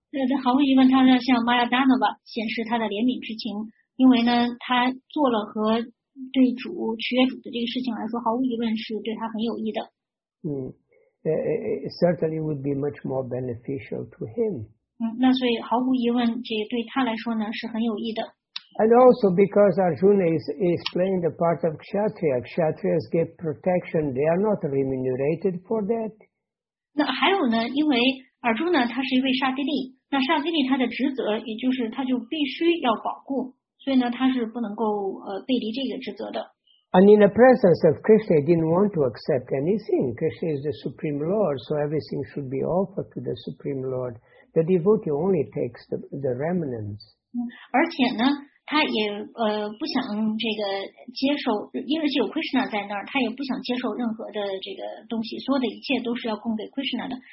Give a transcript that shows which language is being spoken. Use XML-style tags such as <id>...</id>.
<zh>那毫无疑问，他要向 Maya Dhanava 显示他的怜悯之情，因为呢，他做了和对主取悦主的这个事情来说，毫无疑问是对他很有益的。</zh> <en>It certainly would be much more beneficial to him.</en> <zh>那所以毫无疑问，这对他来说呢是很有益的。</zh> <en>And also because Arjuna is playing the part of Kshatriya, Kshatriyas get protection, they are not remunerated for that.</en> <zh>那还有呢，因为Arjuna他是一位沙帝利，那沙帝利他的职责，也就是他就必须要保护，所以呢他是不能够背离这个职责的。</zh> <en>And in the presence of Krishna, he didn't want to accept anything. Krishna is the Supreme Lord, so everything should be offered to the Supreme Lord. The devotee only takes the remnants.</en> <zh>而且呢，他也不想这个接受，因为只有 Krishna 在那儿，他也不想接受任何的这个东西，所有的一切都是要供给 Krishna 的。</zh>